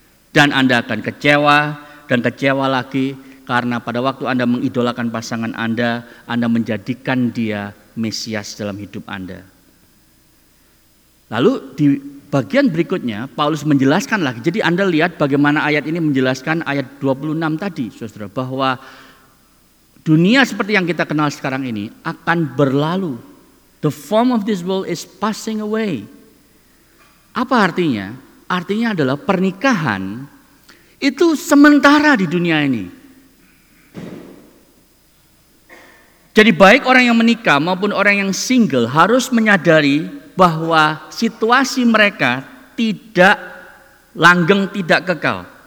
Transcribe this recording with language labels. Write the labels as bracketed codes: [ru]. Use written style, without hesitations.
[id] Dan Anda akan kecewa dan kecewa lagi karena pada waktu Anda mengidolakan pasangan Anda, Anda menjadikan dia Mesias dalam hidup Anda. Lalu di bagian berikutnya, Paulus menjelaskan lagi. Jadi Anda lihat bagaimana ayat ini menjelaskan ayat 26 tadi, saudara, bahwa dunia seperti yang kita kenal sekarang ini akan berlalu. [en] The form of this world is passing away. [id] Apa artinya? Artinya adalah pernikahan itu sementara di dunia ini. Jadi baik orang yang menikah maupun orang yang single harus menyadari bahwa situasi mereka tidak langgeng, tidak kekal.